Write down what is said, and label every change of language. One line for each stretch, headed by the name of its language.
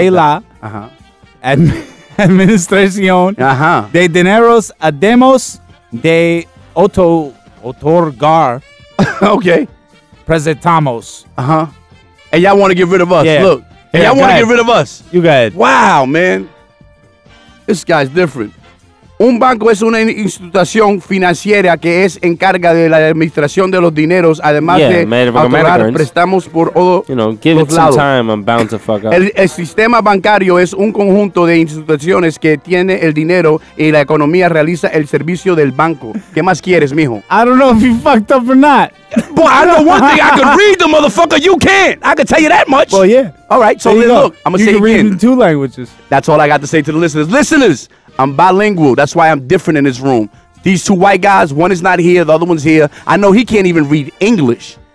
Spanish: De la administración de dineros además de otorgar okay presentamos
English: and y'all want to get rid of us look and y'all want to get rid of us you guys wow man this guy's different.
Spanish: Un banco es una institución financiera que es encarga de la administración de los dineros, además de otorgar préstamos por todos lados.
English: You know, give it some time, I'm bound to fuck up.
Spanish: El sistema bancario es un conjunto de instituciones que tiene el dinero y la economía realiza el servicio del banco. ¿Qué más quieres, mijo?
English: I don't know if you fucked up or not. Boy, I know one thing. I can read the motherfucker. You can't. I can tell you that much. Well, yeah. All right, so then look. I'm going to say it again. You can read in two languages. That's all I got to say to the listeners. Listeners! I'm bilingual. That's why I'm different in this room. These two white guys, one is not here. The other one's here. I know he can't even read English.